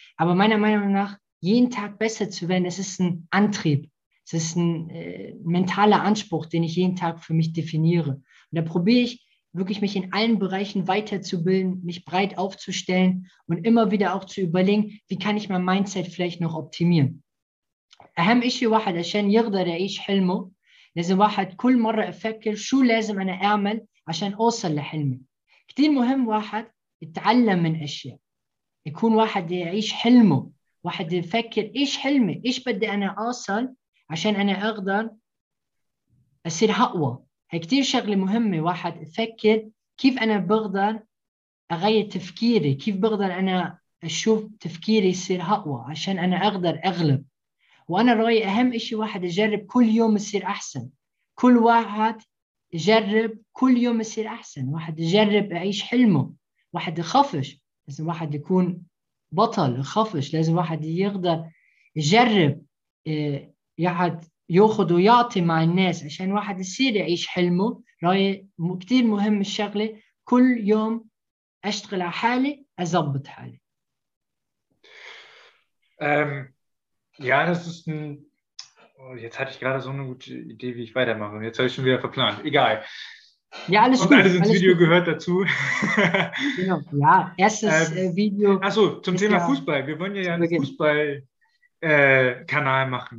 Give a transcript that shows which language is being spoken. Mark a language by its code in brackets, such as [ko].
[de] Aber meiner Meinung nach, jeden Tag besser zu werden, es ist ein Antrieb. Es ist ein mentaler Anspruch, den ich jeden Tag für mich definiere. Und da probiere ich wirklich, mich in allen Bereichen weiterzubilden, mich breit aufzustellen und immer wieder auch zu überlegen, wie kann ich mein Mindset vielleicht noch optimieren. [ar] أهم إشي واحد عشان يقدر يعيش حلمه لازم واحد كل مرة أفكر شو لازم أنا أعمل عشان أوصل لحلمي. كتير مهم واحد يتعلم من أشياء يكون واحد يعيش حلمه واحد يفكر إيش حلمي إيش بدي أنا أوصل عشان أنا أقدر أصير أقوى. هي كتير شغلة مهمة واحد يفكر كيف أنا بقدر أغير تفكيري كيف بقدر أنا أشوف تفكيري يصير أقوى عشان أنا أقدر أغلب. وأنا رأيي أهم إشي واحد يجرب كل يوم يصير أحسن كل واحد يجرب كل يوم يصير أحسن واحد يجرب يعيش حلمه واحد يخافش لازم واحد يكون بطل يخافش لازم واحد يقدر يجرب يحد يأخذ ويعطي مع الناس عشان واحد يصير يعيش حلمه رأيي كتير مهم الشغلة كل يوم أشتغل على حالي أزبط حالي [de] Ja, das ist ein... Oh, jetzt hatte ich gerade so eine gute Idee, wie ich weitermache. Jetzt habe ich schon wieder verplant. Egal. Ja, alles und gut. Und alles ins alles Video gut. Gehört dazu. Genau. Ja, erstes Video. Achso, zum Thema Fußball. Wir wollen ja einen Fußball-Kanal machen.